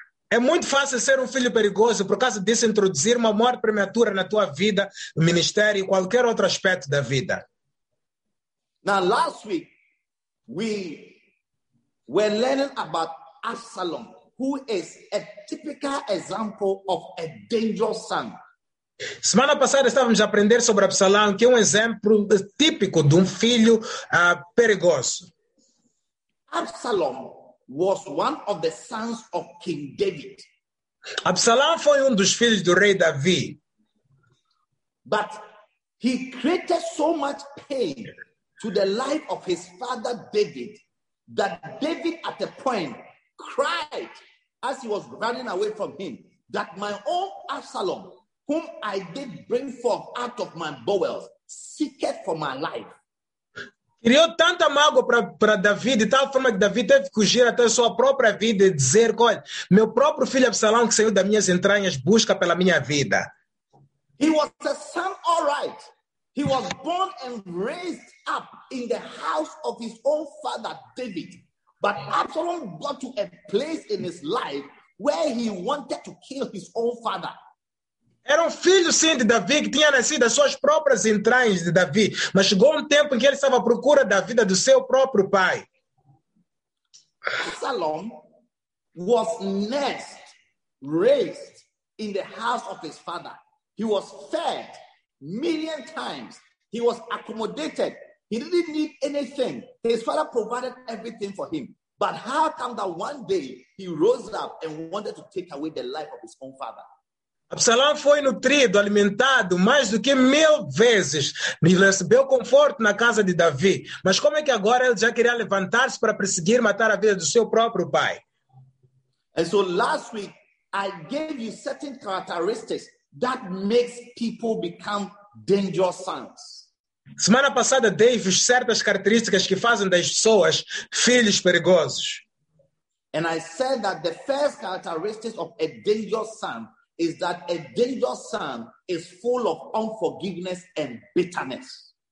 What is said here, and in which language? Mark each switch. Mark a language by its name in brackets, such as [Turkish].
[Portuguese] É muito fácil ser um filho perigoso por causa disso introduzir uma morte prematura na tua vida, no ministério e qualquer outro aspecto da vida. [English] Now, last week, we were learning about Absalom, who is a typical example of a dangerous son. [Portuguese] Semana passada, estávamos a aprender sobre Absalão, que é um exemplo típico de um filho perigoso. [English] Absalom was one of the sons of King David. [Portuguese] Absalão foi dos filhos do rei Davi. [English] But he created so much pain to the life of his father David, that David at a point cried as he was running away from him, that my own Absalom, whom I did bring forth out of my bowels, seeketh for my life. [Portuguese] Criou tanta mágoa para David, de tal forma que David teve que fugir até a sua própria vida e dizer, olha, meu próprio filho Absalão, que saiu das minhas entranhas, busca pela minha vida. [English] He was a son, all right. He was born and raised up in the house of his own father, David. But Absalom got to a place in his life where he wanted to kill his own father. [Portuguese] Era filho, sim, de Davi, que tinha nascido as suas próprias entranhas de Davi. Mas chegou tempo em que ele estava à procura da vida do seu próprio pai. [English] Absalom was nursed, raised in the house of his father. He was fed million times. He was accommodated. He didn't need anything. His father provided everything for him. But how come that one day he rose up and wanted to take away the life of his own father? [Portuguese] Absalão foi nutrido, alimentado mais do que mil vezes. Me recebeu conforto na casa de Davi. Mas como é que agora ele já queria levantar-se para perseguir, matar a vida do seu próprio pai? [English] And so last week, I gave you certain characteristics that makes people become dangerous sons. [Portuguese] Semana passada dei-vos certas características que fazem das pessoas filhos perigosos. [English] And I said that the first characteristic of a dangerous son is that a dangerous son is full of unforgiveness and bitterness.